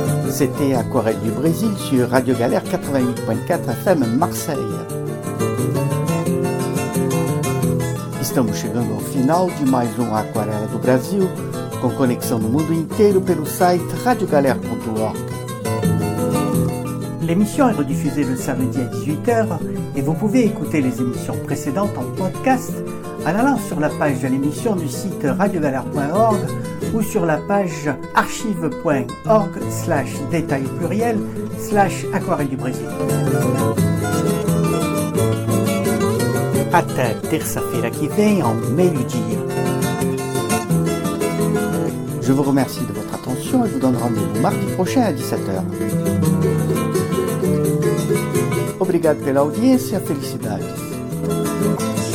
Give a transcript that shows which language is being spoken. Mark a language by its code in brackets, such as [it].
[fr] C'était Aquarelle du Brésil sur Radio Galère 88.4 FM Marseille. [pt] Estamos chegando ao final de mais um Aquarela do Brasil, com conexão no mundo inteiro pelo site radiogalere.org. [fr] L'émission est rediffusée le samedi à 18h et vous pouvez écouter les émissions précédentes en podcast en allant sur la page de l'émission du site radiogalère.org ou sur la page archive.org/détail/aquarelle du Brésil. [pt] Até terça-feira que vem, ao meio-dia. [fr] Je vous remercie de votre attention et vous donne rendez-vous mardi prochain à 17h. [pt] Obrigado pela audiência, felicidades.